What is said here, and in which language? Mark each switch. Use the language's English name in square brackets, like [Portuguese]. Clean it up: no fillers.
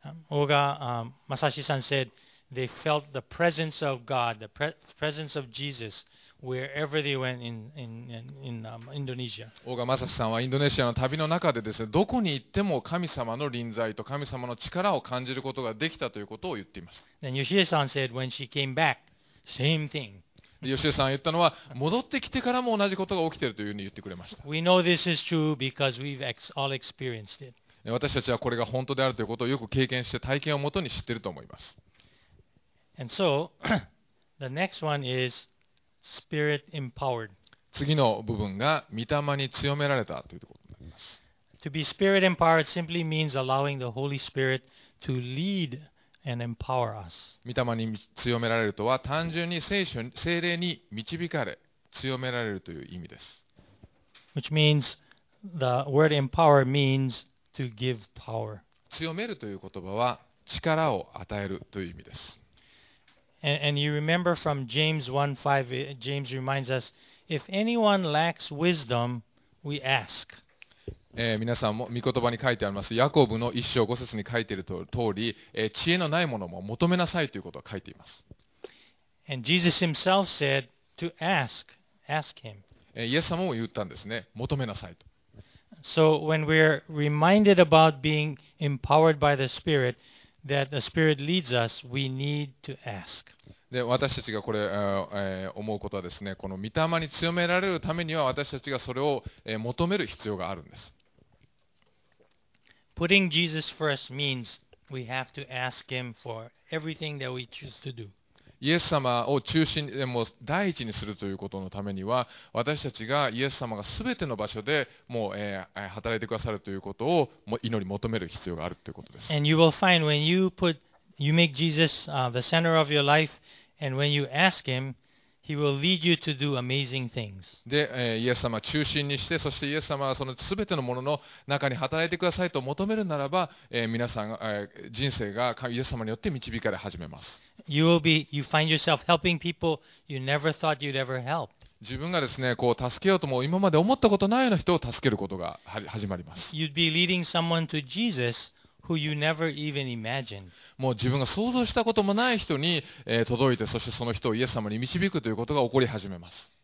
[English] オーガ、マサシさん said,They felt the presence of God, the presence of Jesus, wherever they went in Indonesia. [Japanese] オーガマサシさんはインドネシアの旅の中でですね、どこに行っても神様の臨在と神様の力を感じることができたということを言っています。 [English] Then Yoshie-san said when she came back, same thing. [Japanese] Yoshie さんが言ったのは、戻ってきてからも同じことが起きているというふうに言ってくれました。 [English] We know this is true because we've all experienced it. [Japanese] 私たちはこれが本当であるということをよく経験して体験をもとに知っていると思います。 [English] And so, the next one is spirit empowered. [Japanese] 次の部分が御霊に強められたということになります。 [English] To be spirit empowered simply means allowing the Holy Spirit to lead and empower us. [Japanese] 御霊に強められるとは単純に聖霊に導かれ強められるという意味です。 [English] Which means the word empower means to give power. [Japanese] 強めるという言葉は力を与えるという意味です。 [English] And you remember from James 1:5, James reminds us, if anyone lacks wisdom, we ask. [Japanese] 皆さんも御言葉に書いてあります。ヤコブの1章5節に書いている通り、知恵のないものも求めなさいということを書いています。 [English] And Jesus himself said to ask him. [Japanese] イエス様も言ったんですね。求めなさいと。 [English] So when we're reminded about being empowered by the Spirit, that the Spirit leads us, we need to ask. [Japanese] で私たちがこれ、思うことはですね、この御霊に強められるためには私たちがそれを、求める必要があるんです。 [English] Putting Jesus first means we have to ask Him for everything that we choose to do. [Japanese] イエス様を中心にもう第一にするということのためには、私たちがイエス様がすべての場所でもう、働いてくださるということをもう祈り求める必要があるということです。 [English] And you will find when you put You make Jesus the center of your life, and when you ask Him, He will lead you to do amazing things. [Japanese] で、イエス様を中心にして、そしてイエス様はその全てのものの中に働いてくださいと求めるならば、皆さん、人生がイエス様によって導かれ始めます。 [English] You find yourself helping people you never thought you'd ever help. [Japanese] 自分がですね、こう助けようとも今まで思ったことないような人を助けることが始まります。 [English] You'd be leading someone to Jesus. Who you never even imagined. [Japanese] もう自分が想像したこともない人に、届いて、そしてその人をイエス様に導くということが起こり始めます。